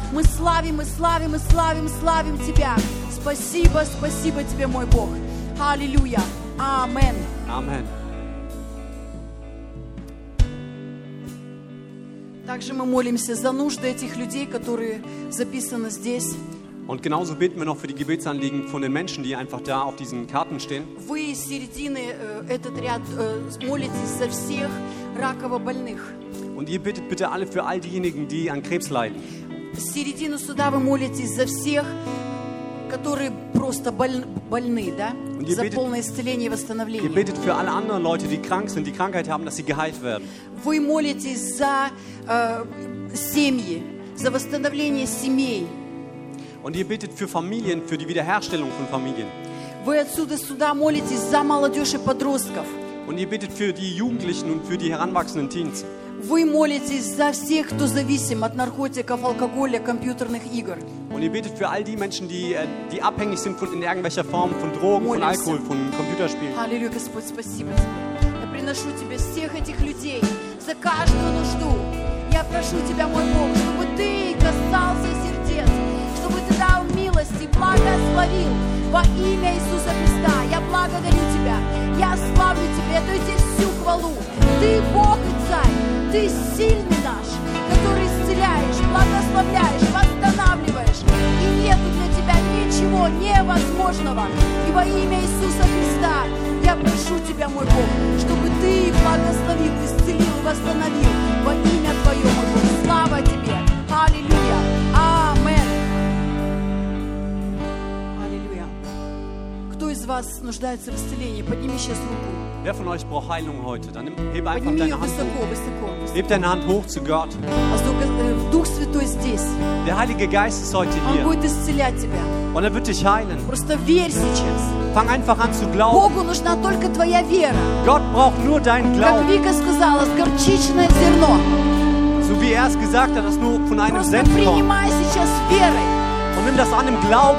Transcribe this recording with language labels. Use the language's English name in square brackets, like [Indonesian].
[Russian] Мы славим и славим и славим, славим Тебя. Спасибо, спасибо Тебе, мой Бог. Аллилуйя. Амен. Амен. Также мы молимся за нужды этих людей, которые записаны здесь. [German] Und genauso beten wir noch für die Gebetsanliegen von den Menschen, die einfach da auf diesen Karten stehen. [Russian] Вы из середины этот ряд молитесь за всех раково больных. [German] Und ihr betet bitte alle für all diejenigen, die an Krebs leiden. [Russian] Из середины сюда вы молитесь за всех, которые просто больны, да? За полное исцеление и восстановление. [German] Ihr betet für alle anderen Leute, die krank sind, die Krankheit haben, dass sie geheilt werden. [Russian] Вы молитесь за семьи, за восстановление семей. [German] Und ihr betet für Familien, für die Wiederherstellung von Familien. [Russian] Вы отсюда сюда молитесь за молодежь и подростков. [German] Und ihr betet für die Jugendlichen und für die heranwachsenden Teens. [Russian] Вы молитесь за всех, кто зависим от наркотиков, алкоголя, компьютерных игр. [German] Und ihr betet für all die Menschen, die abhängig sind von, in irgendwelcher Form von Drogen, von Alkohol, von Computerspielen. [Russian] Halleluja, Господь, спасибо. Я приношу тебе всех этих людей за каждую нужду. Я прошу тебя, мой Бог, чтобы ты касался сердец, чтобы ты дал милость и благословил во имя Иисуса Христа. Я благодарю тебя, я славлю тебя, я даю тебе всю хвалу. Ты Бог и Царь. Ты сильный наш, который исцеляешь, благословляешь, восстанавливаешь. И нету для тебя ничего невозможного. И во имя Иисуса Христа я прошу тебя, мой Бог, чтобы ты благословил, исцелил, восстановил. Во имя Твое, мой Бог, слава тебе. Аллилуйя. Амен. Аллилуйя. Кто из вас нуждается в исцелении? Подними сейчас руку. [German] Wer von euch braucht Heilung heute? Dann heb einfach [Russian] Подними [German] deine Hand [Russian] высоко, [German] hoch. [Russian] Высоко, высоко. [German] Heb deine Hand hoch zu Gott. [Russian] Also, Дух Святой здесь. [German] Der Heilige Geist ist heute hier. [Russian] Он будет исцелять тебя. [German] Und wird dich heilen. [Russian] Просто верь сейчас. [German] Fang einfach an zu glauben. [Russian] Богу нужна только твоя вера. [German] Gott braucht nur deinen Glauben. [Russian] Как Вика сказала, горчичное зерно. [German] So wie es gesagt hat, das nur von einem [Russian] Просто [German] Senfkorn. [Russian] Принимай сейчас верой. [German] Und nimm das an im Glauben.